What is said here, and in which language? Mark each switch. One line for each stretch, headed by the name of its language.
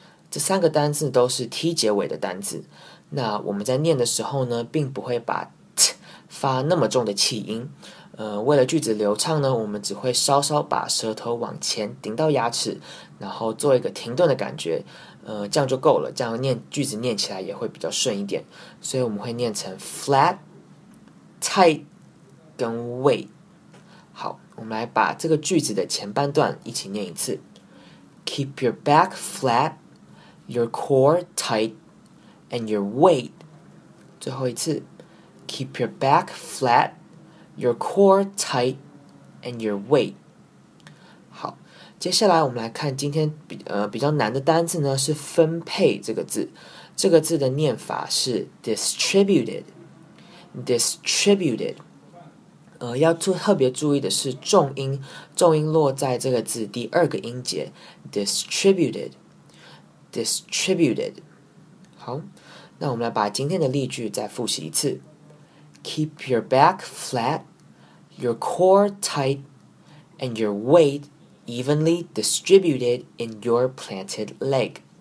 Chinese: 这三个单字都是 T 结尾的单字，那我们在念的时候呢并不会把 T 发那么重的气音，为了句子流畅呢，我们只会稍稍把舌头往前顶到牙齿，然后做一个停顿的感觉，这样就够了，这样念句子念起来也会比较顺一点。所以我们会念成 flat, tight, 跟 weight。好，我们来把这个句子的前半段一起念一次。
English: Keep your back flat, your core tight, and your weight。
Chinese: 最后一次。
English: Keep your back flatYour core tight and your weight。
Chinese: 好，接下来我们来看今天 比较难的单字呢，是分配这个字。这个字的念法是 distributed, distributed。要特别注意的是重音落在这个字第二个音节 distributed, distributed。好，那我们来把今天的例句再复习一次。
English: Keep your back flatYour core tight, and your weight evenly distributed in your planted leg.